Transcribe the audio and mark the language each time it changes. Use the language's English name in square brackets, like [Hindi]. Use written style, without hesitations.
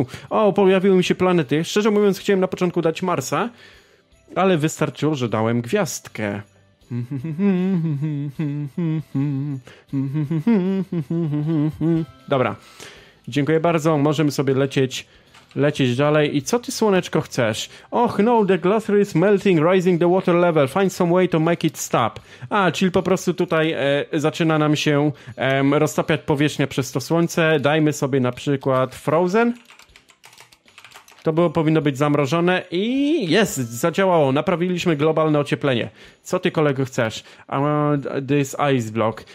[Polish] O, pojawiły mi się planety. Szczerze mówiąc, chciałem na początku dać Marsa, ale wystarczyło, że dałem gwiazdkę. Dobra, dziękuję bardzo. Możemy sobie lecieć dalej. I co ty, słoneczko, chcesz? [English] Och, no, the glacier is melting, rising the water level. Find some way to make it stop. [Polish] A, czyli po prostu tutaj zaczyna nam się roztapiać powierzchnia przez to słońce. Dajmy sobie na przykład frozen. To było, powinno być zamrożone. I jest, zadziałało. Naprawiliśmy globalne ocieplenie. Co ty, kolego, chcesz? [English] This ice block.